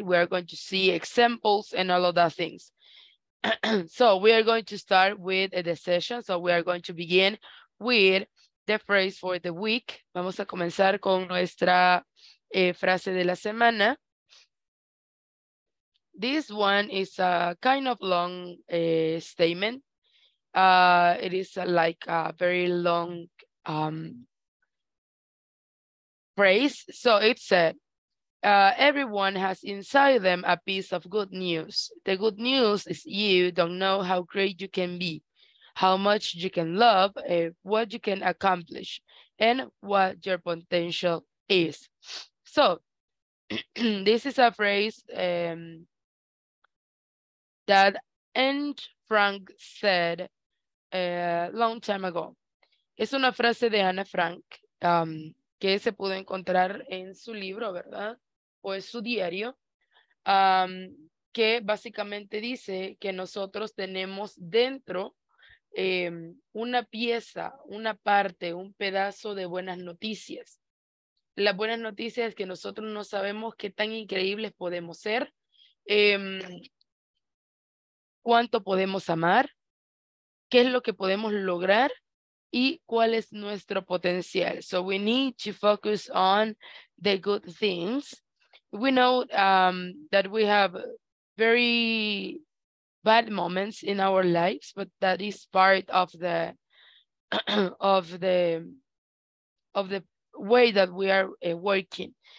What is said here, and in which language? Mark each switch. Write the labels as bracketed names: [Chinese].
[English] We are going to see examples and all of that things. So we are going to start with the session. So we are going to begin with the phrase for the week. [Spanish] Vamos a comenzar con nuestra frase de la semana. [English] This one is a kind of long statement. It is like a very long phrase. So it said, everyone has inside them a piece of good news. The good news is you don't know how great you can be, how much you can love, what you can accomplish, and what your potential is. So, this is a phrase that Anne Frank said a long time ago. [Spanish] Es una frase de Anne Frank que se pudo encontrar en su libro, ¿verdad? O es su diario, que básicamente dice que nosotros tenemos dentro una pieza, una parte, un pedazo de buenas noticias. La buena noticia es que nosotros no sabemos qué tan increíbles podemos ser cuánto podemos amar, qué es lo que podemos lograr y cuál es nuestro potencial. [English] So we need to focus on the good things. We know that we have very bad moments in our lives, but that is part of the of the way that we are working.